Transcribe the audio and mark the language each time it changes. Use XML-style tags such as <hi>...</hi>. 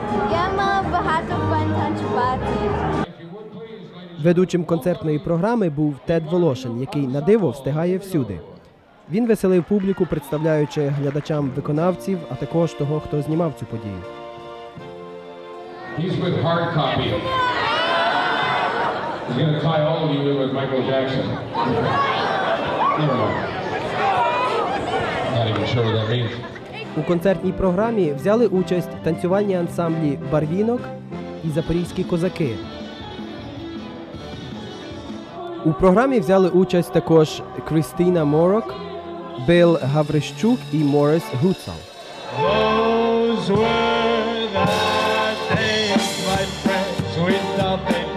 <uk>Я мала багато фан танцювати. Ведучим концертної програми був Тед Волошин, який на диво встигає всюди. Він веселив публіку, представляючи глядачам виконавців, а також того, хто знімав цю подію.</uk> <en>He's with Hard Copy. He's going to tie all of you in with Michael Jackson. Never mind. I'm not even sure what that means.</en> <uk>У концертній програмі взяли участь танцювальні ансамблі «Барвінок» і «Запорізькі козаки». У програмі взяли участь також Крістіна Морок, Бил Гаврищук і Моріс Гуцал.</uk> <en>Those were the days, my friends, without them.</en>